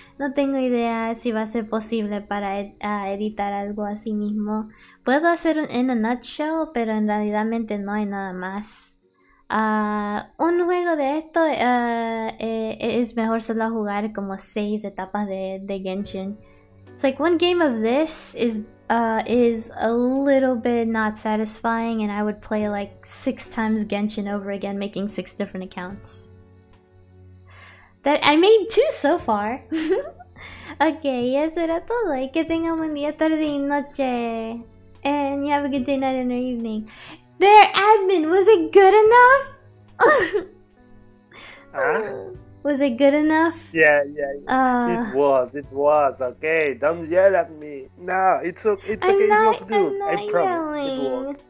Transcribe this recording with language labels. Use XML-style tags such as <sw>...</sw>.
<es>No tengo idea si va a ser posible para ed a editar algo así mismo. Puedo hacer un in a nutshell, pero en realidad mente no hay nada más. Un juego de esto es mejor solo jugar como 6 etapas de Genshin.</es> <en>It's like one game of this is a little bit not satisfying, and I would play like 6 times Genshin over again, making 6 different accounts. That I made 2 so far. Okay,</en> <es>ya será todo. Y que tenga un buen día, tarde y noche.</es> <en>And you have a good day, night, and or evening. There, admin, was it good enough? Was it good enough? It was okay. Don't yell at me. No, it's okay. It was good. I promise. It was.</en>